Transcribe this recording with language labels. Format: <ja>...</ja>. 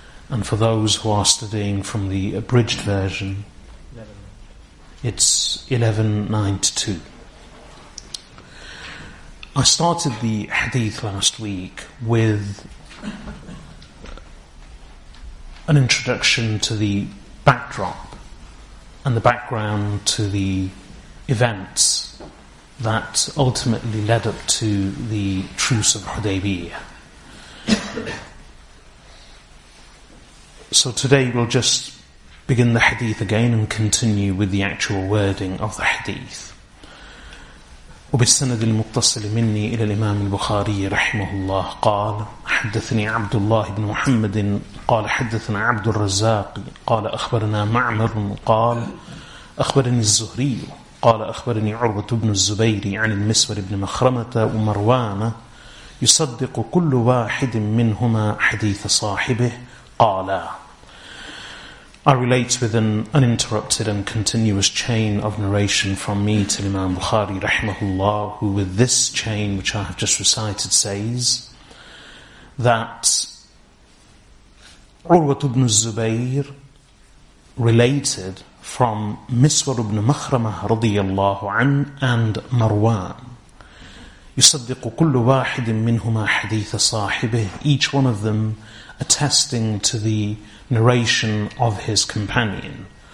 <en>And for those who are studying from the abridged version, it's 1192. I started the hadith last week with an introduction to the backdrop and the background to the events that ultimately led up to the truce of Hudaybiyah. So today we'll just begin the hadith again and continue with the actual wording of the hadith.</en> <ar>وبالسند المتصل مني إلى الإمام البخاري رحمه الله قال حدثني عبد الله بن محمد قال حدثنا عبد الرزاق قال أخبرنا معمر قال أخبرني الزهري قال أخبرني عروة بن الزبير عن المسور بن مخرمة ومروان يصدق كل واحد منهما حديث صاحبه قال.</ar> <en>I relate with an uninterrupted and continuous chain of narration from me to Imam Bukhari rahimahullah, who with this chain which I have just recited says that Urwat ibn Zubayr related from Miswar ibn Makhramah radiyallahu an and Marwan</en> <ar>yusaddiqu kullu wahidin minhuma haditha sahibih,</ar> <en>each one of them attesting to the narration of his companion.</en>